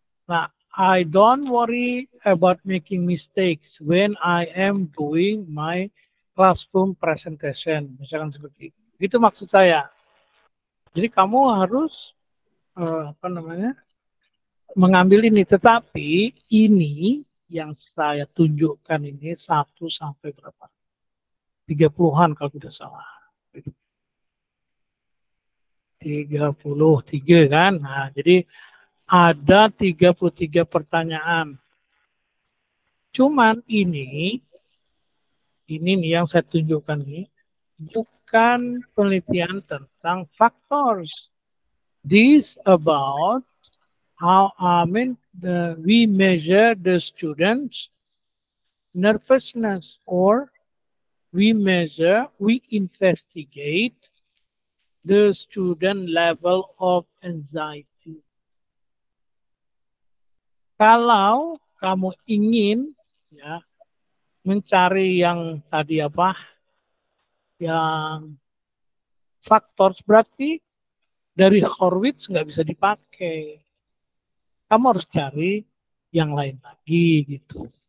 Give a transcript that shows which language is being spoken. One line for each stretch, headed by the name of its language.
English: Nah, I don't worry about making mistakes when I am doing my classroom presentation.
Indonesian: Misalkan seperti itu maksud saya. Jadi kamu harus apa namanya mengambil ini. Tetapi ini yang saya tunjukkan ini 1 sampai berapa? 30-an kalau tidak salah. 33 kan. Nah, jadi ada 33 pertanyaan. Cuman ini nih yang saya tunjukkan nih bukan penelitian tentang factors.
English: This about how I mean the we measure the students nervousness or we investigate the student level of anxiety.
Indonesian: Kalau kamu ingin ya mencari yang tadi apa yang faktor berarti dari Horwitz nggak bisa dipakai. Kamu harus cari yang lain lagi gitu.